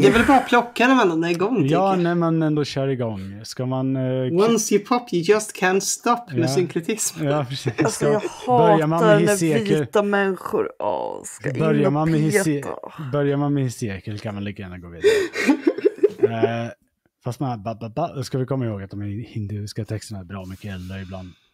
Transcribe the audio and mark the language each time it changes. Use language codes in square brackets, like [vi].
[sv] Det är väl bara att plocka när man är igång. Ja, när man ändå kör igång. Ska man... [en] Once you pop, you just can't stop [sv] med synkretism. Ja, precis. Alltså, jag hatar man med Hesekiel, när vita människor ska in och peta. Börjar man med Hesekiel kan man lika gärna gå vidare. fast man... Då ska vi komma ihåg att de hinduiska texterna är bra mycket äldre ibland.